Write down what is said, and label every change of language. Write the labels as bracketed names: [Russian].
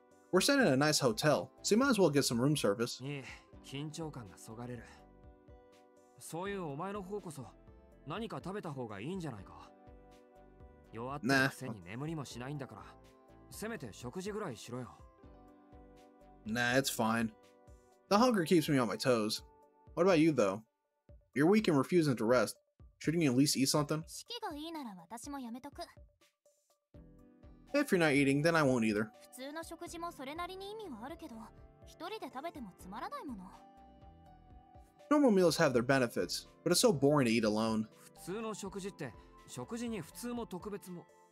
[English] We're staying in a nice hotel, so you might as well get some room service. [Japanese] いい、緊張感が削がれる。そういうお前の方こそ、何か食べた方がいいんじゃないか。弱ったくせに眠りもしないんだから。せめて食事ぐらいしろよ。 [English] Nah, it's fine. The hunger keeps me on my toes. What about you, though? You're weak and refusing to rest. Shouldn't you at least eat something? [Japanese] 士気がいいなら私もやめとく。 [English] If you're not eating, then I won't either. [Japanese] 普通の食事もそれなりに意味はあるけど、一人で食べてもつまらないもの。 [English] Normal meals have their benefits, but it's so boring to eat alone. [Japanese] 普通の食事って、食事に普通も特別も…